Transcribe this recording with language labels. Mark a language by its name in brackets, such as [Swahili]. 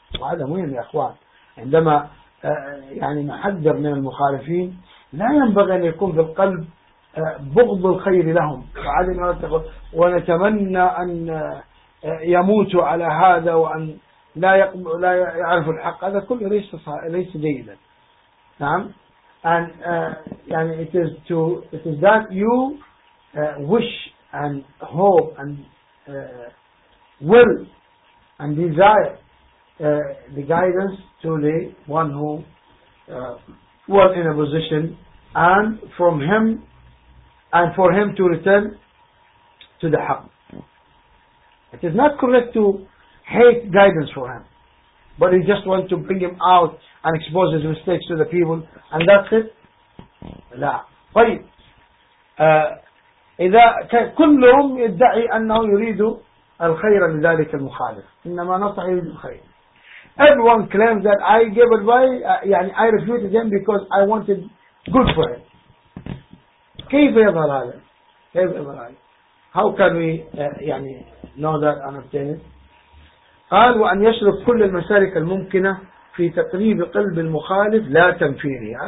[Arabic] وهذا مهم يا أخوان, عندما نحذر من المخالفين لا ينبغي أن يكون في القلب بغض الخير لهم, ونتمنى أن يموتوا على هذا وأن لا يعرفوا الحق, هذا كله ليس جيدا. نعم. [English] And it is that you wish and hope and will and desire the guidance to the one who was in a position, and from him and for him to return to the haq. It is not correct to hate guidance for him, but he just want to bring him out and expose his mistakes to the people, and that's it. [Arabic] لا. طيب. إذا كلهم يدعي أنه يريد الخير لذلك المخالف, إنما نصح يريد الخير. [English] Everyone claims that I gave advice, I refuted him because I wanted good for him. [Arabic] كيف يظهر هذا؟ كيف يظهر هذا؟ [English] How can we know that and obtain it? [Arabic] قال وأن يشرب كل المسالك الممكنة في تقريب قلب المخالف لا تنفيره.